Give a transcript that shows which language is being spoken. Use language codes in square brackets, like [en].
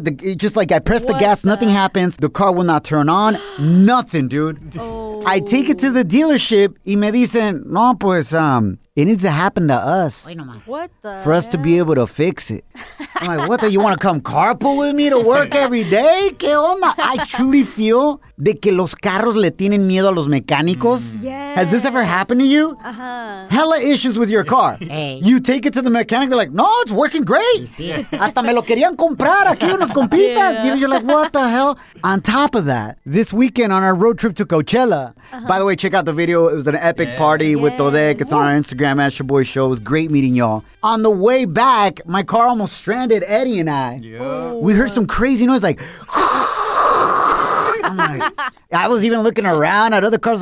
[en] It's just like I press the gas, nothing happens. The car will not turn on. Nothing, dude. Oh. I take it to the dealership [es] y me dicen, no, pues, [en] it needs to happen to us. Wait, no, what the for us heck? To be able to fix it. I'm like, what the? You want to come carpool with me to work every day? [es] ¿Qué onda? [en] I truly feel [es] de que los carros le tienen miedo a los mecánicos. [en] Mm. Yes. Has this ever happened to you? Hella issues with your car. Hey. You take it to the mechanic, they're like, no, it's working great. [es] Sí, sí. Hasta me lo querían comprar aquí unos compitas. [en] Yeah. You're like, what the hell? On top of that, this weekend on our road trip to Coachella, by the way, check out the video. It was an epic party with Todek. It's on our Instagram. Instagram at your boy show. It was great meeting y'all. On the way back, my car almost stranded Eddie and I. Yeah. We heard some crazy noise, like, I'm like, I was even looking around at other cars.